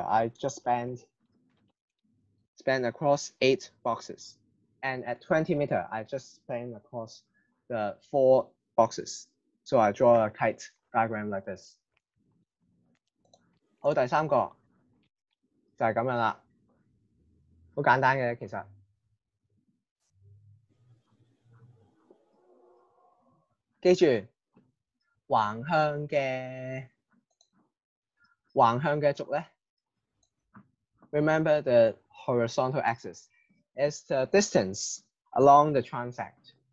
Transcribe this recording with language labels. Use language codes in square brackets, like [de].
[en] I just span across 8 boxes, and at 20 meter, I just span across the 4 boxes. So I draw a kite diagram like this. [yue] 好，第三個就係咁樣啦，好簡單嘅其實。記住，橫向嘅軸咧 [en] ，remember the horizontal axis is the distance along the transect.